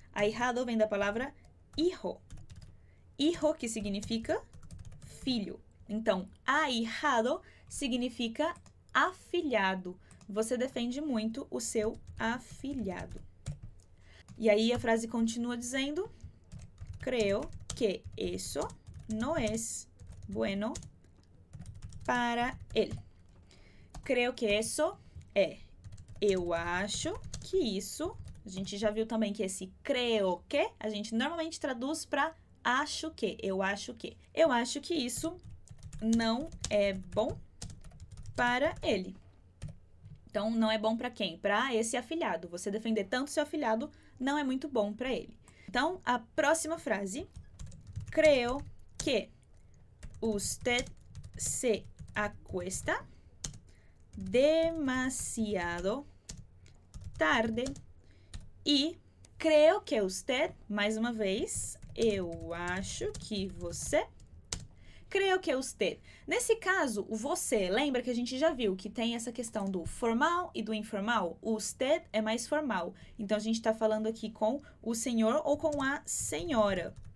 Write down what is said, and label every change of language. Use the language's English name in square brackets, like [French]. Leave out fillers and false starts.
[Portuguese] Ahijado vem da palavra hijo. Hijo que significa filho. Então, ahijado significa afilhado. Você defende muito o seu afilhado. E aí a frase continua dizendo. [Spanish] Creo que eso no es bueno para él. Creo que eso é. [Portuguese] Eu acho que isso. A gente já viu também que esse creo que a gente normalmente traduz para acho que. Eu acho que. Eu acho que isso não é bom para ele. Então, não é bom para quem? Para esse afilhado. Você defender tanto seu afilhado não é muito bom para ele. Então, a próxima frase. [Spanish] Creo que usted se acuesta demasiado tarde. [Portuguese] E [Spanish] creo que usted, [Portuguese] mais uma vez, eu acho que você. [Spanish] Creo que usted. [Portuguese] Nesse caso, o você, lembra que a gente já viu que tem essa questão do formal e do informal? O usted é mais formal. Então, a gente está falando aqui com o senhor ou com a senhora.